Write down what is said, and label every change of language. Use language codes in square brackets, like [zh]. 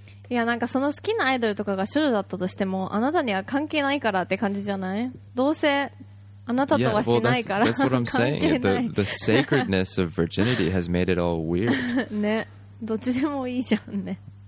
[ja] いやなんかその好きなアイドルとかが少女だったとしてもあなたには関係ないからって感じじゃない？どうせあなたとはしないから関係ない。 [en] That's what I'm saying. The sacredness of virginity has made it all weird. [ja] ね、どっちでもいいじゃんね。